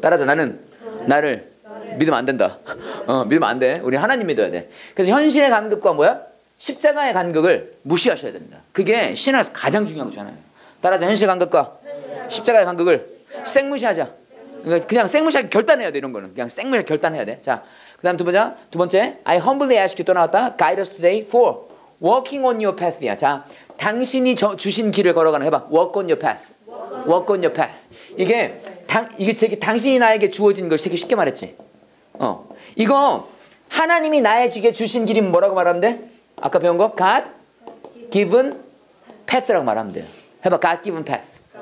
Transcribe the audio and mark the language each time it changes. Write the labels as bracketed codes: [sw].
[ko] 따라서 나는 나를 믿으면 안 된다. 믿으면 안 돼. 우리 하나님 믿어야 돼. 그래서 현실의 간극과 뭐야? 십자가의 간극을 무시하셔야 됩니다. 그게 신앙에서 가장 중요한 거잖아요. 따라서 현실 간극과 십자가의 간극을 생무시하자. 그냥 생무시하게 결단해야 돼, 이런 거는. 그냥 생무시하게 결단해야 돼. 자, 그 다음 두 번째. [en] I humbly ask you, [ko] 또 나왔다. [en] Guide us today for walking on your path. [ko] 야. 자, 당신이 주신 길을 걸어가는 해봐. [en] Walk on your path. Walk on your path. [ko] 이게 되게 당신이 나에게 주어진 것이 되게 쉽게 말했지. 이거 하나님이 나에게 주신 길이 뭐라고 말하면 돼? 아까 배운 거? [en] God given path [ko] 라고 말하면 돼요. 해봐, God given path.